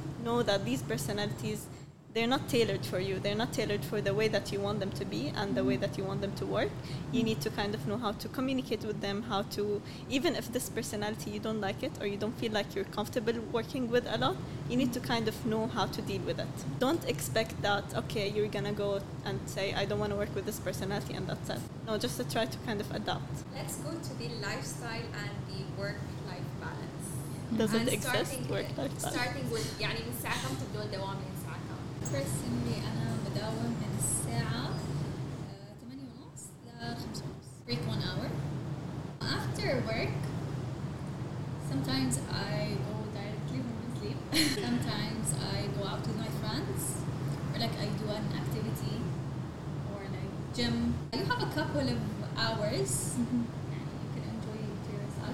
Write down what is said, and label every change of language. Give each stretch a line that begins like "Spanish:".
English: know that these personalities they're not tailored for you they're not tailored for the way that you want them to be and the way that you want them to work you need to kind of know how to communicate with them how to even if this personality you don't like it or you don't feel like you're comfortable working with a lot you need to kind of know how to deal with it don't expect that okay you're gonna go and say I don't want to work with this personality and that's it no just to try to kind of adapt let's go to the lifestyle and the work life balance does it exist work life balance
Arabic: starting with يعني من ساعة كم تبدون دوامي Personally, أنا بداوم من الساعة 8:30 ل 5:30 break 1 hour.
English: After work, sometimes I go directly home and sleep. Sometimes I go out with my friends, or like I do an activity, or like gym. You have a couple of hours, and you can enjoy it to yourself.